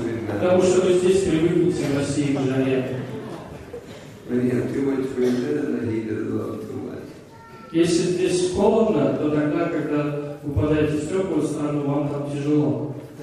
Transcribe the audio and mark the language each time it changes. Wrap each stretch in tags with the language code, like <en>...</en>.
<ru>Потому что вы здесь привыкнете в России к жаре.</ru> <en>When you have too much winter, then the heat is a lot too much.</en> <ru>Если здесь холодно, то тогда, когда вы попадаете в теплую страну, вам там тяжело.</ru>